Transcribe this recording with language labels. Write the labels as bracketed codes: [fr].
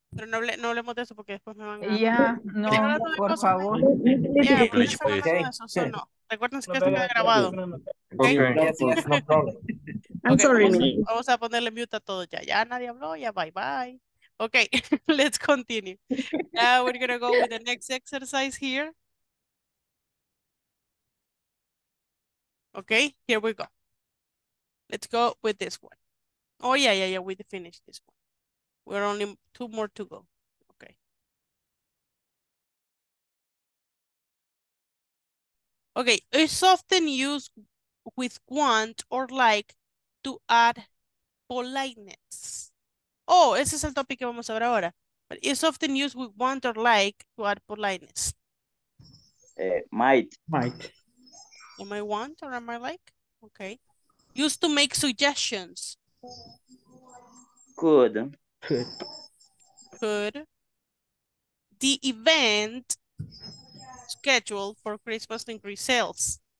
[es] Pero no hablemos de eso porque después me van a... Ya, no, por favor. Ya, ¿no? Recuérdense que esto queda grabado. [en] Okay. [es] Vamos a ponerle mute a todo ya. Ya nadie habló, ya bye bye. [en] Okay, let's continue. Now we're going to go with the next exercise here. Okay, here we go. Let's go with this one. Oh, yeah, we finished this one. We're only two more to go. Okay. Okay, it's often used with want or like to add politeness. [es] Oh, ese es el topic que vamos a ver ahora. [en] But it's often used with want or like to add politeness. Might. Am I want or am I like? Okay. Used to make suggestions. Could. The event scheduled for Christmas to increase sales.